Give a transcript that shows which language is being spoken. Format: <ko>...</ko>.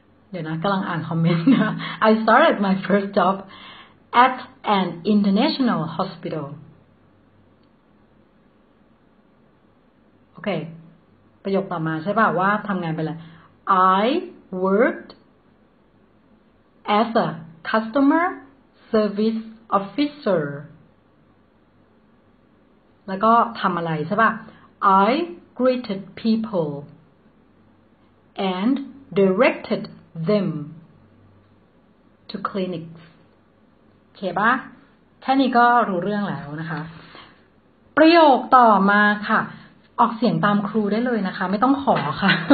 <th>เดี๋ยวนะกำลังอ่านคอมเมนต์นะ</th> <en>I started my first job at an international hospital</en> <th>โอเคประโยคต่อมาใช่ป่ะว่าทำงานไปแล้ว</th> <en>I worked as a customer service officer</en> <th>แล้วก็ทำอะไรใช่ป่ะ I</th> <en>greeted people and directed them to clinics</en> <th>เข้าป่ะแค่นี้ก็รู้เรื่องแล้วนะคะประโยคต่อมาค่ะออกเสียงตามครูได้เลยนะคะไม่ต้องขอค่ะ</th>